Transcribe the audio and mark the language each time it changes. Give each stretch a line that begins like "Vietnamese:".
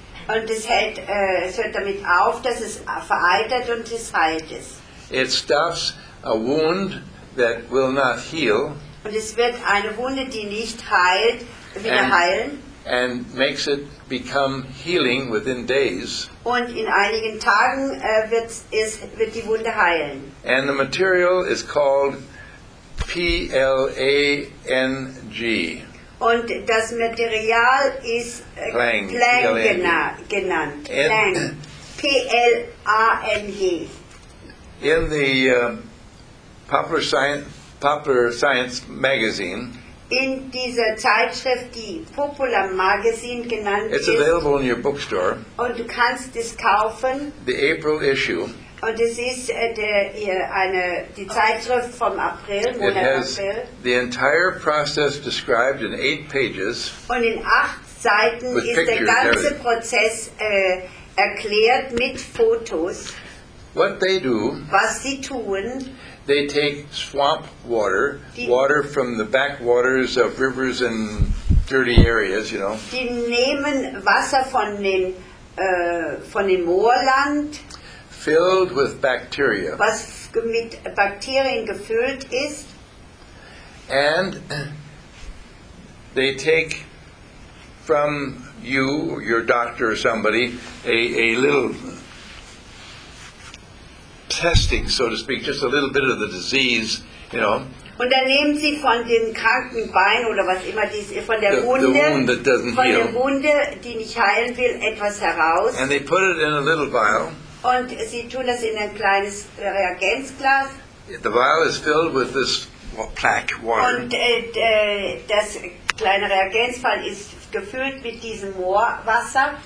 German: Und es hält, es hört damit auf, dass es vereitert und es heilt es.
English: It stops a wound that will not heal.
German: Und es wird eine Wunde, die nicht heilt, wieder heilen.
English: And makes it become healing within days.
German: Und in einigen Tagen wird die Wunde heilen.
English: And the material is called PLANG.
German: Und das Material ist Plang, Plang genannt. Plang. P-L-A-N-G.
English: In the Popular Science Magazine.
German: In dieser Zeitschrift, die Popular Magazine genannt
English: it's
German: ist.
English: It's available in your bookstore.
German: Und du kannst es kaufen.
English: The April issue.
German: Und es ist die Zeitschrift vom April, Monat
English: it has
German: April.
English: The entire process described in 8 pages.
German: Und in 8 Seiten ist der ganze Prozess erklärt mit Fotos.
English: What they do,
German: was sie tun,
English: they take swamp water, water from the backwaters of rivers and dirty areas, you know.
German: Die nehmen Wasser von dem Moorland.
English: Filled with bacteria.
German: Was mit Bakterien gefüllt ist.
English: And they take from you, your doctor or somebody, a little testing, so to speak, just a little bit of the disease, you know.
German: Und dann nehmen sie von dem kranken Bein oder was immer dies von der Wunde, die nicht heilen will, etwas heraus.
English: And they put it in a little vial.
German: Und sie tun das in ein kleines Reagenzglas.
English: The vial is filled with this plaque water.
German: Und das kleine Reagenzglas ist gefüllt mit diesem Moorwasser.